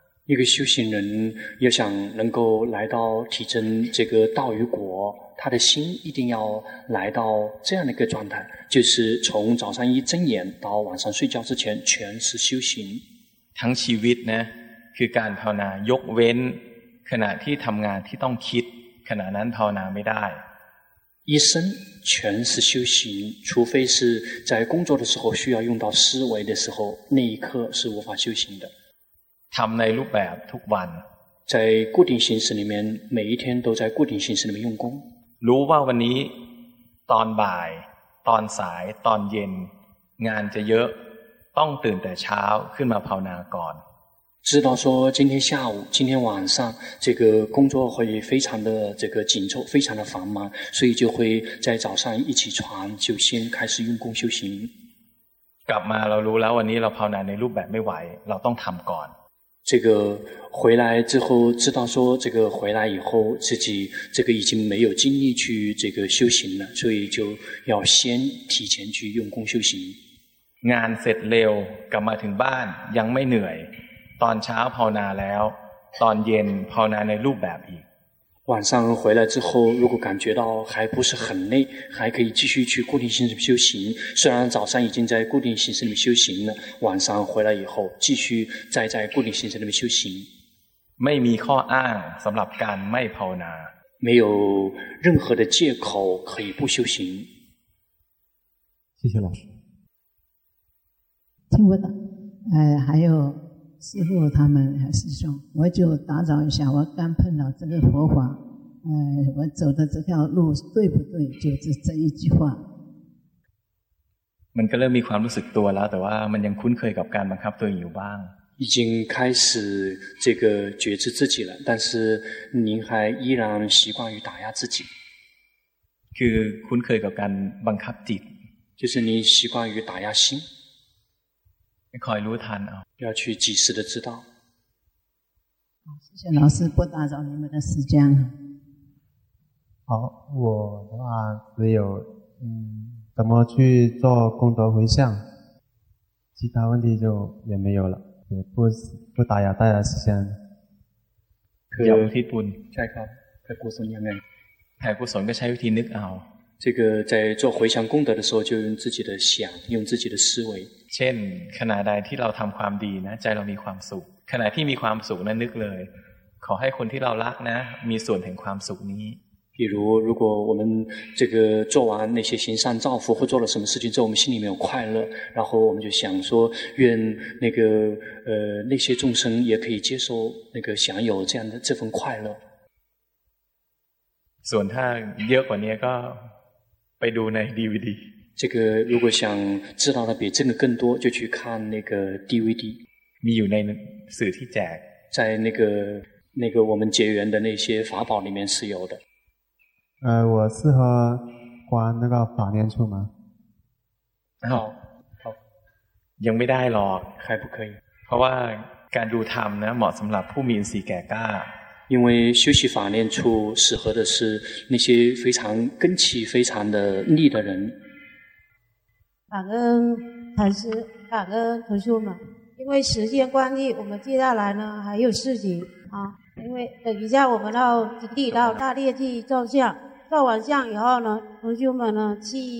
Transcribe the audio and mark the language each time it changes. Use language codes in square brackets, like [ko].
[zh] 一个修行人要想能够来到体证这个道与果他的心一定要来到这样的一个状态就是从早上一睁眼到晚上睡觉之前全是修行 [th] ทั้งชีวิตนะคือการภาวนายกเว้นขณะที่ทำงานที่ต้องคิดขณะนั้นภาวนาไม่ได้ [zh] 一生全是修行除非是在工作的时候需要用到思维的时候那一刻是无法修行的 [th] ทำในรูปแบบทุกวัน [zh] 在固定形式里面每一天都在固定形式里面用功 [th] รู้ว่าวันนี้ตอนบ่ายตอนสายตอนเย็นงานจะเยอะต้องตื่นแต่เช้าขึ้นมาภาวนาก่อน [zh] 知道说今天下午今天晚上这个工作会非常的这个紧凑非常的繁忙所以就会在早上一起床就先开始用功修行 [th] กลับมาเรารู้แล้ววันนี้เราภาวนาในรูปแบบไม่ไหวเราต้องทำก่อน [zh] 这个回来之后知道说这个回来以后自己这个已经没有精力去这个修行了所以就要先提前去用功修行 [th] งานเสร็จเร็วกลับมาถึงบ้านยังไม่เหนื่อยตอนเช้าภาวนาแล้วตอนเย็นภาวนาในรูปแบบอีก [zh] 晚上回来之后如果感觉到还不是很累还可以继续去固定形式修行虽然早上已经在固定形式里面修行了晚上回来以后继续再在固定形式里面修行 [th] ไม่มีข้ออ้างสำหรับการไม่ภาวนา [zh] 没有任何的借口可以不修行谢谢老师听不懂还有师父他们师兄我就打扰一下我刚碰到这个佛法我走的这条路对不对就是这一句话 [th] มันก็เริ่มมีความรู้สึกตัวแล้วแต่ว่ามันยังคุ้นเคยกับการบังคับตัวเองอยู่บ้าง [zh] 已经开始这个觉知自己了但是您还依然习惯于打压自己 [th] คือคุ้นเคยกับการบังคับจิต [zh] 就是您习惯于打压心 [th] คอยรู้ทันเอา [zh] 要去及时的知道谢谢老师不打扰你们的时间好我的话只有怎么去做功德回向其他问题就也没有了也不打扰大家时间可以 [th] ที่ปุ่น ใช่ครับแผ่กุศลยังไง แผ่กุศลก็ใช้วิธีนึกเอา [zh] 这个在做回向功德的时候就用自己的想用自己的思维 [th] เช่นขณะใดที่เราทำความดีนะใจเรามีความสุขขณะที่มีความสุขนั้นนึกเลยขอให้คนที่เรารักนะมีส่วนแห่งความสุขนี้ [zh] 比如如果我们这个做完那些行善造福或做了什么事情之后我们心里面有快乐然后我们就想说愿那个那些众生也可以接受那个享有这样的这份快乐 [th] ส่วนถ้าเยอะกว่านี้ก็ ไปดูใน DVD [zh] 这个如果想知道的比这个更多就去看那个 DVD [th] มีอยู่ในสื่อที่แจก [zh] 在那个我们结缘的那些法宝里面是有的我适合关那个法念处吗好好 [th] ยังไม่ได้หรอก [zh] 还不可以 [th] เพราะว่าการดูธรรมนะเหมาะสำหรับผู้มีอินทรีย์แก่กล้า [zh] 因为修习法念处适合的是那些非常根气非常的利的人感恩禅师感恩同学们因为时间关系我们接下来呢还有事情啊，因为等一下我们到营地到大烈去照相照完相以后呢同学们呢去